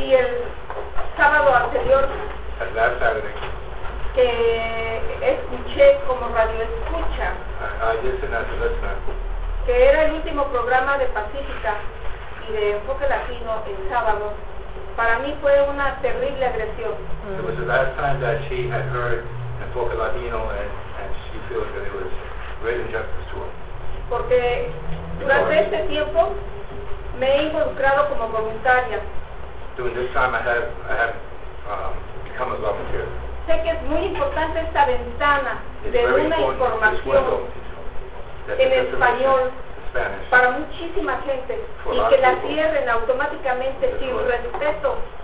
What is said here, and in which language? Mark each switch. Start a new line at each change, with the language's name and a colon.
Spanish: Y el sábado anterior,
English: and last Saturday,
Spanish: que escuché como radio escucha,
English: I listened as a listener,
Spanish: que era el último programa de Pacífica y de Enfoque Latino el sábado. Para mí fue una terrible agresión.
English: It was the last time that she had heard Enfoque Latino and she feels that it was great injustice to her.
Spanish: Porque durante este tiempo me he involucrado como voluntaria.
English: During this time I have become a volunteer.
Spanish: Sé que es muy importante esta ventana
English: it's
Spanish: de una información en español para muchísima gente y que la cierren automáticamente sin respeto.